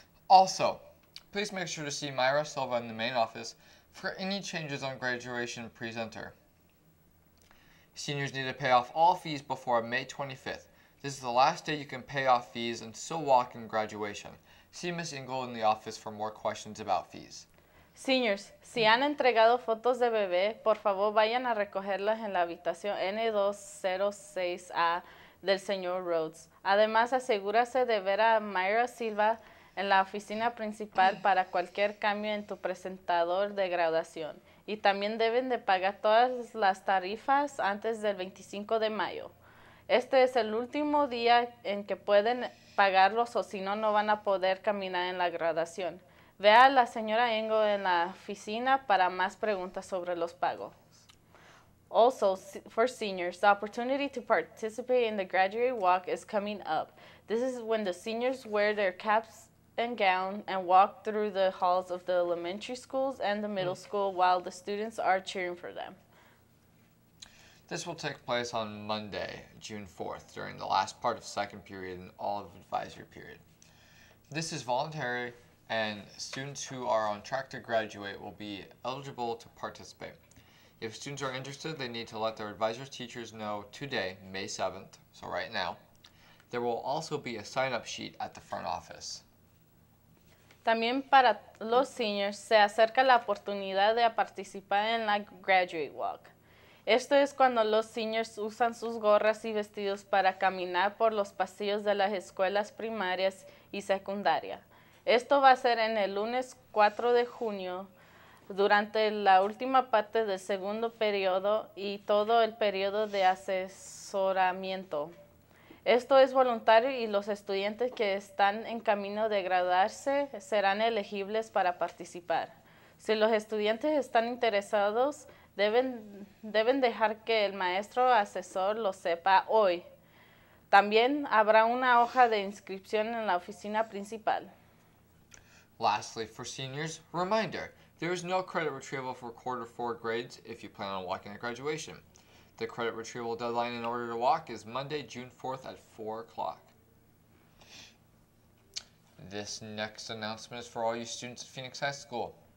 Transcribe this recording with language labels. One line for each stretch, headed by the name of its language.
English: Also, please make sure to see Myra Silva in the main office for any changes on graduation presenter. Seniors need to pay off all fees before May 25th. This is the last day you can pay off fees and still walk in graduation. See Ms. Engel in the office for more questions about fees.
Spanish: Seniors, si han entregado fotos de bebé, por favor vayan a recogerlas en la habitación N206A del señor Rhodes. Además, asegúrese de ver a Myra Silva en la oficina principal para cualquier cambio en tu presentador de graduación. Y también deben de pagar todas las tarifas antes del 25 de mayo. Este es el último día en que pueden pagarlos o si no, no van a poder caminar en la graduación. Ve a la señora Engel en la oficina para más preguntas sobre los pagos.
English: Also, for seniors, the opportunity to participate in the graduate walk is coming up. This is when the seniors wear their caps and gown and walk through the halls of the elementary schools and the middle school while the students are cheering for them. This will take place on Monday, June 4th, during the last part of second period and all of advisory period. This is voluntary, and students who are on track to graduate will be eligible to participate. If students are interested, they need to let their advisors' teachers know today, May 7th, so right now. There will also be a sign-up sheet at the front office.
Spanish: También para los seniors, se acerca la oportunidad de participar en la graduate walk. Esto es cuando los seniors usan sus gorras y vestidos para caminar por los pasillos de las escuelas primarias y secundarias. Esto va a ser en el lunes 4 de junio, durante la última parte del segundo periodo y todo el periodo de asesoramiento. Esto es voluntario y los estudiantes que están en camino de graduarse serán elegibles para participar. Si los estudiantes están interesados, deben dejar que el maestro asesor lo sepa hoy. También habrá una hoja de inscripción en la oficina principal.
English: Lastly, for seniors, reminder, there is no credit retrieval for quarter four grades if you plan on walking at graduation. The credit retrieval deadline in order to walk is Monday, June 4th at 4 o'clock. This next announcement is for all you students at Phoenix High School.